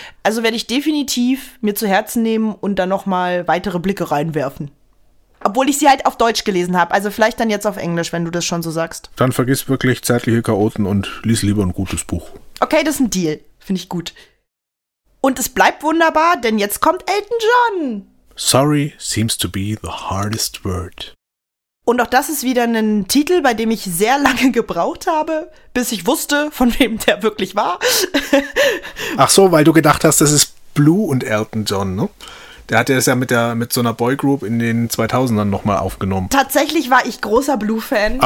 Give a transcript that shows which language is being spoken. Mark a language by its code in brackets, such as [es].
[de] Also werde ich definitiv mir zu Herzen nehmen und dann nochmal weitere Blicke reinwerfen. Obwohl ich sie halt auf Deutsch gelesen habe. Also vielleicht dann jetzt auf Englisch, wenn du das schon so sagst. Dann vergiss wirklich zeitliche Chaoten und lies lieber ein gutes Buch. Okay, das ist ein Deal. Finde ich gut. Und es bleibt wunderbar, denn jetzt kommt Elton John. [en] Sorry seems to be the hardest word. [de] Und auch das ist wieder ein Titel, bei dem ich sehr lange gebraucht habe, bis ich wusste, von wem der wirklich war. Ach so, weil du gedacht hast, das ist Blue und Elton John, ne? Der hat das ja mit so einer Boygroup in den 2000ern nochmal aufgenommen. Tatsächlich war ich großer Blue-Fan.